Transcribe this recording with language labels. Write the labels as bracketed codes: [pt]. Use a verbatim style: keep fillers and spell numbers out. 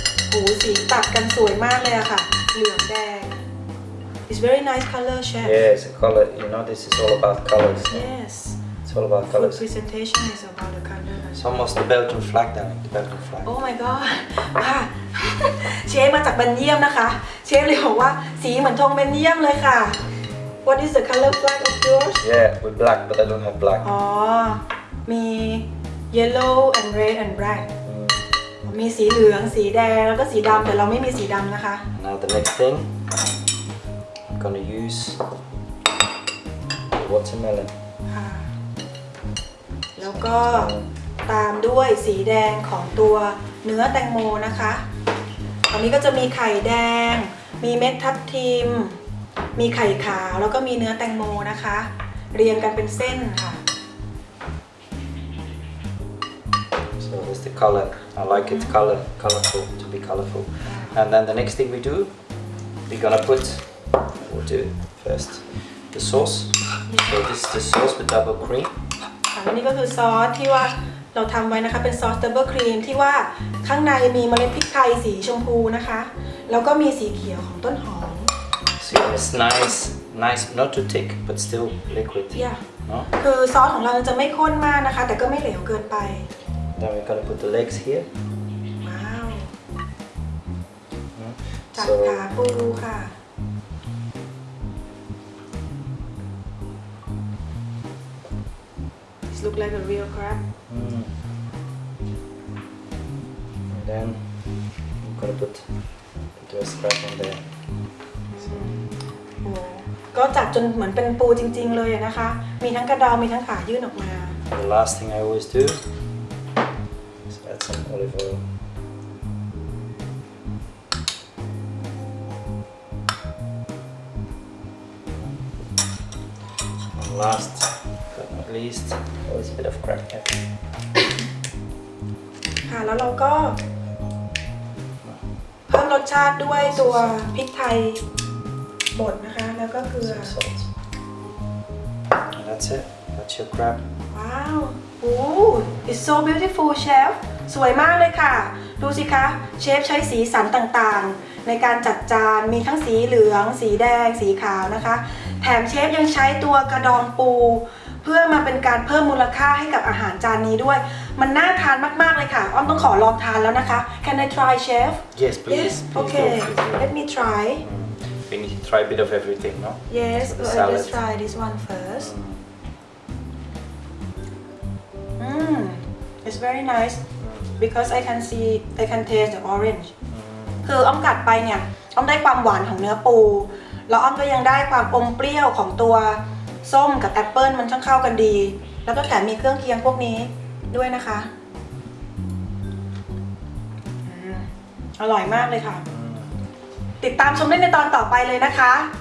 [th] โอ้โหสีตัดกันสวยมากเลยอะค่ะเหลืองแดง [en] It's very nice color, chef. Yeah, it's a color. You know, this is all about colors. Yes. It's all about colors. The presentation is about the color. It's almost the Belgian flag, darling. The Belgian flag. Oh my god! [th] ว้า เชฟมาจากเบลเยียมนะคะ เชฟเลยบอกว่าสีเหมือนธงเบลเยียมเลยค่ะ [en] What is the color flag of yours? Yeah, we're black, but I don't have black. [th] อ๋อ มี [en] yellow and red and black. [th] มีสีเหลือง สีแดง แล้วก็สีดำ แต่เราไม่มีสีดำนะคะ [en] Now the next thing, I'm gonna use the watermelon. [th] แล้วก็ตามด้วยสีแดงของตัวเนื้อแตงโมนะคะตอนนี้ก็จะมีไข่แดงมีเม็ดทับทิมมีไข่ขาวแล้วก็มีเนื้อแตงโมนะคะเรียงกันเป็นเส้นค่ะ [en] So that's the color. I like it color, colorful to be colorful. And then the next thing we do, we're gonna put. We'll do first the sauce. So this is the sauce with double cream. [th] อันนี้ก็คือซอสที่ว่าเราทำไว้นะคะเป็นซอสดับเบิลครีมที่ว่าข้างในมีเมล็ดพริกไทยสีชมพูนะคะแล้วก็มีสีเขียวของต้นหอม [en] So it's nice, nice, not too thick, but still liquid. Yeah. [th] คือซอสของเราจะไม่ข้นมากนะคะแต่ก็ไม่เหลวเกินไป [en] Then we're gonna put the legs here. Wow. [th] จัดขาปูค่ะ [en] Look like a real crab. Mm. And then I'm gonna put the dressed crab on there. So. [th] ก็จัดจนเหมือนเป็นปูจริงๆเลยนะคะมีทั้งกระดองมีทั้งขายื่นออกมา [en] The last thing I always do is add some olive oil. And last. At least always a bit of crack here. [th] ค่ะแล้วเราก็เพิ่มรสชาติด้วยตัวพริกไทยบดนะคะแล้วก็เกลือ [en] And that's it. That's your crab. Wow. Oh, it's so beautiful, chef. [th] สวยมากเลยค่ะดูสิคะเชฟใช้สีสันต่างๆในการจัดจานมีทั้งสีเหลืองสีแดงสีขาวนะคะ แถมเชฟยังใช้ตัวกระดองปู เพื่อมาเป็นการเพิ่มมูลค่าให้กับอาหารจานนี้ด้วย มันน่าทานมากๆเลยค่ะ อ้อมต้องขอลองทานแล้วนะคะ [en] Can I try chef? Yes, please. Yes. Please Okay. do, please do. Let me try. We need to try a bit of everything, no? Yes. So the Well, salad. let's try this one first. Mm. Mm. It's very nice because I can see I can taste the orange. [th] คืออ้อมกัดไปเนี่ยอ้อมได้ความหวานของเนื้อปูแล้วอ้อมก็ยังได้ความอมเปรี้ยวของตัวส้มกับแอปเปิลมันช่างเข้ากันดี แล้วก็แถมมีเครื่องเคียงพวกนี้ด้วยนะคะอืมอร่อยมากเลยค่ะ ติดตามชมได้ในตอนต่อไปเลยนะคะ